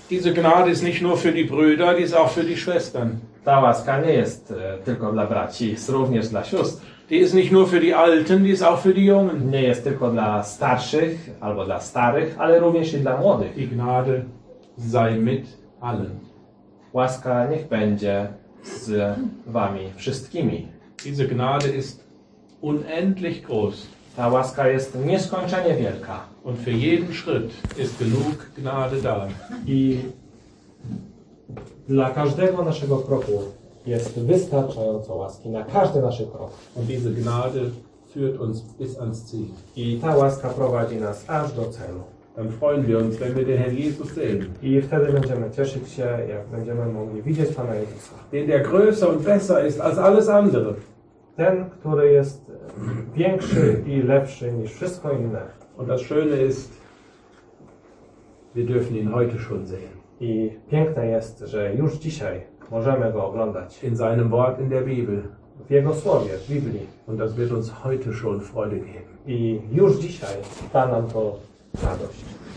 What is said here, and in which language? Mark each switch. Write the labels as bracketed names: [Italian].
[German] Diese Gnade ist nicht nur für die Brüder, die ist auch für die Schwestern. [Polish] Ta łaska nie jest tylko dla braci, jest również dla sióstr. [German] Die ist nicht nur für die Alten, die ist auch für die Jungen. [Polish] Nie jest tylko dla starszych albo dla starych, ale również i dla młodych. [German] Die Gnade sei mit allen. [Polish] Łaska niech będzie z wami wszystkimi. [German] Diese Gnade ist unendlich groß. [Polish] Ta łaska jest nieskończenie wielka. [German] Und für jeden Schritt ist genug Gnade da. [Polish] I dla każdego naszego kroku jest wystarczająco łaski na każdy nasz krok. [German] Und diese Gnade führt uns bis ans Ziel. [Polish] I ta łaska prowadzi nas aż do celu. [German] Dann freuen wir uns, wenn wir den Herrn Jesus sehen. [Polish] I wtedy będziemy cieszyć się, jak będziemy mogli widzieć Pana Jezusa. [German] Den, der größer und besser ist als alles andere. [Polish] Ten, który jest większy i lepszy niż wszystko inne. [German] Und das Schöne ist, wir dürfen ihn heute schon sehen. [Polish] I piękne jest, że już dzisiaj możemy go oglądać. [German] In seinem Wort in der Bibel. [Polish] W Jego Słowie, w Biblii. [German] Und das wird uns heute schon Freude geben. [Polish] I już dzisiaj da nam to radość.